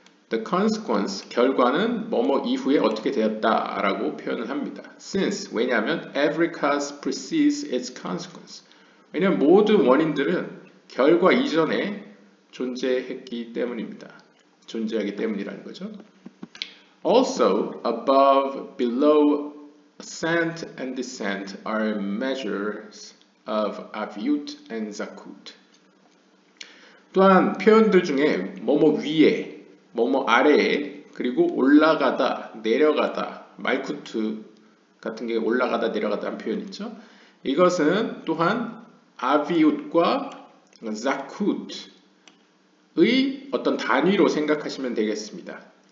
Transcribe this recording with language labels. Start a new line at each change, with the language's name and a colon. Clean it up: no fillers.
English: The consequence,
Korean: 결과는 뭐뭐 이후에 어떻게 되었다 라고 표현을 합니다.
English: Since,
Korean: 왜냐하면
English: every cause precedes its consequence.
Korean: 왜냐하면 모든 원인들은 결과 이전에 존재했기 때문입니다. 존재하기 때문이라는 거죠.
English: Also, above, below, ascent and descent are measures of avyut and zakut.
Korean: 또한 표현들 중에 뭐뭐 위에 뭐뭐 아래에, 그리고 올라가다, 내려가다, 말쿠트 같은 게 올라가다, 내려가다라는 표현 있죠. 이것은 또한 아비웃과 자쿠트의 어떤 단위로 생각하시면 되겠습니다.